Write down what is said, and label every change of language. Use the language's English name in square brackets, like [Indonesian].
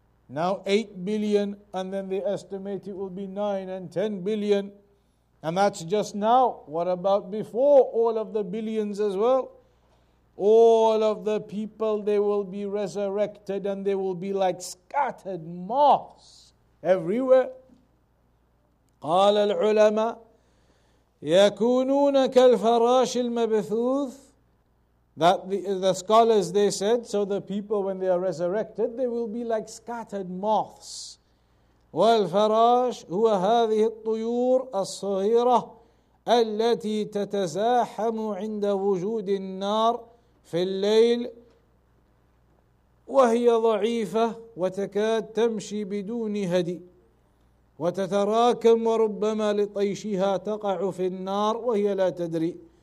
[English] Now 8 billion, and then they estimate it will be 9 and 10 billion. And that's just now. What about before all of the billions as well? All of the people, they will be resurrected and they will be like scattered moths everywhere. [Arabic] قال العلماء يكونون كالفراش المبثوث. [English] That the scholars, they said, so the people, when they are resurrected, they will be like scattered moths. [Arabic] وَالْفَرَاشُ هُوَ هَذِهِ الطُّيُورُ الصَّغِيرَةُ الَّتِي تَتَزَاحَمُ عِنْدَ وُجُودِ النَّارِ فِي اللَّيْلِ وَهِيَ ضَعِيفَةُ وَتَكَاد تَمْشِي بِدُونِ هَدِي وَتَتَرَاكَمُ وَرُبَّمَا لِطَيْشِهَا تَقَعُ فِي النَّارِ وَهِيَ لَا تَدْرِي.